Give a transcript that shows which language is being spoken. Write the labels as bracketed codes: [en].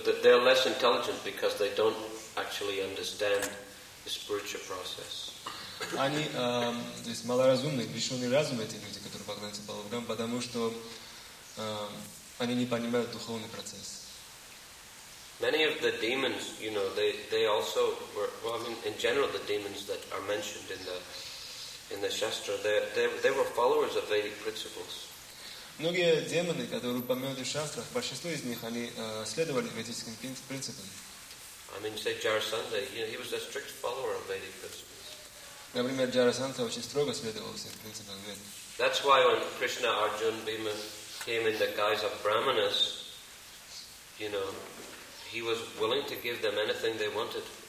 [en] So that they're less intelligent because they don't actually understand the spiritual process. [ru] Они, то есть, малоразумны, лишённый разум эти люди, которые поклоняются Балабхам, потому что они не понимают духовный процесс. [en] Many of the demons, you know, they also were, well, I mean, in general, the demons that are mentioned in the Shastra, they were followers of Vedic principles. [ru] Многие демоны, которые упомянуты в шастрах, большинство из них, они следовали ведическим принципам. [en] I mean, say Jarasandha, you know, he was a strict follower of Vedic principles. [ru] Например, Jarasandha очень строго следовал всем принципам Вед. [en] That's why when Krishna, Arjuna, Bhima came in the guise of Brahmanas, you know, he was willing to give them anything they wanted.